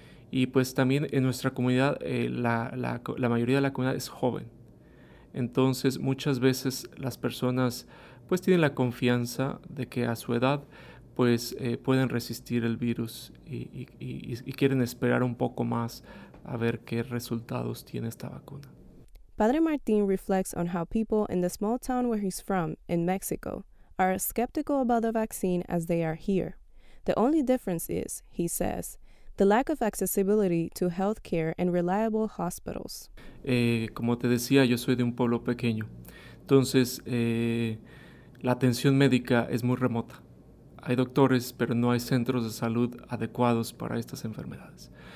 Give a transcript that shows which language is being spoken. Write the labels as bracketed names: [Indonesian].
[Spanish] Y pues también en nuestra comunidad, la mayoría de la comunidad es joven. Entonces muchas veces las personas pues tienen la confianza de que a su edad pues pueden resistir el virus y quieren esperar un poco más a ver qué resultados tiene esta vacuna. [English] Padre Martín reflects on how people in the small town where he's from, in Mexico, are skeptical about the vaccine as they are here. The only difference is, he says, the lack of accessibility to healthcare and reliable hospitals. [Spanish] Como te decía, yo soy de un pueblo pequeño. Entonces, la atención médica es muy remota. Hay doctores, pero no hay centros de salud adecuados para estas enfermedades.